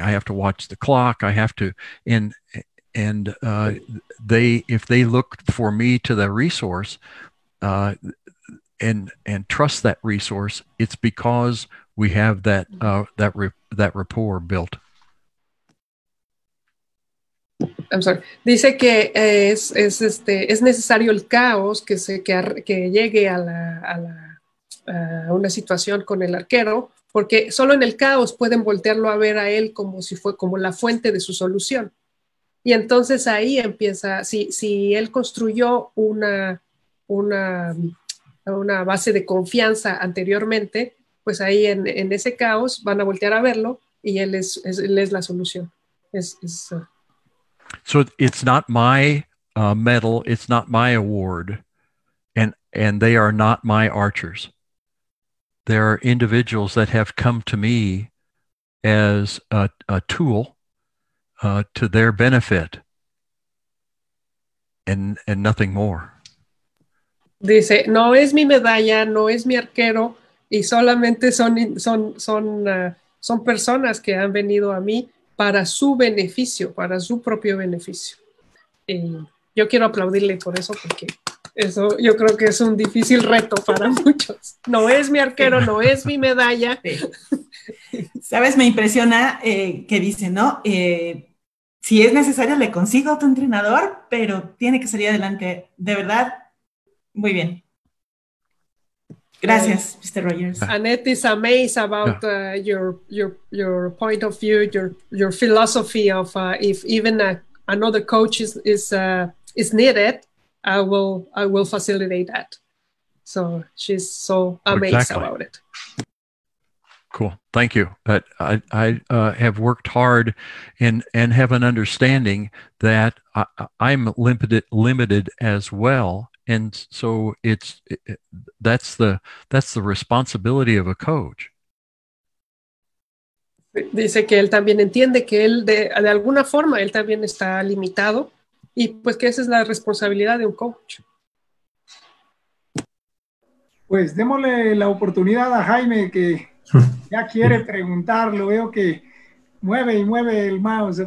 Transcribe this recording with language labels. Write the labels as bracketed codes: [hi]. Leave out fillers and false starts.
[en] I have to watch the clock. I have to, and they, if they look for me to the resource, and trust that resource, it's because we have that that rapport built. I'm sorry. [es] Dice que es necesario el caos que llegue a una situación con el arquero, porque solo en el caos pueden voltearlo a ver a él como si fue como la fuente de su solución. Y entonces ahí empieza, si él construyó una base de confianza anteriormente, pues ahí en ese caos van a voltear a verlo y él es la solución. [en] So it's not my medal, it's not my award, and they are not my archers. There are individuals that have come to me as a tool to their benefit, and nothing more. [es] Dice, no es mi medalla, no es mi arquero, y solamente son personas que han venido a mí para su beneficio, para su propio beneficio. Y yo quiero aplaudirle por eso, porque eso yo creo que es un difícil reto para muchos. No es mi arquero, no es mi medalla. ¿Sabes? Me impresiona que dice, ¿no? Si es necesario, le consigo a tu entrenador, pero tiene que salir adelante. De verdad, muy bien. Gracias, Mr. Rogers. [en] Annette is amazed about your point of view, your philosophy of if even another coach is needed, I will facilitate that. So she's so amazed about it. Cool. Thank you. I have worked hard and have an understanding that I'm limited as well. And so that's the responsibility of a coach. [es] Dice que él también entiende que él de alguna forma él también está limitado y pues que esa es la responsabilidad de un coach. Pues démosle la oportunidad a Jaime que ya quiere preguntar, lo veo que mueve y mueve el mouse.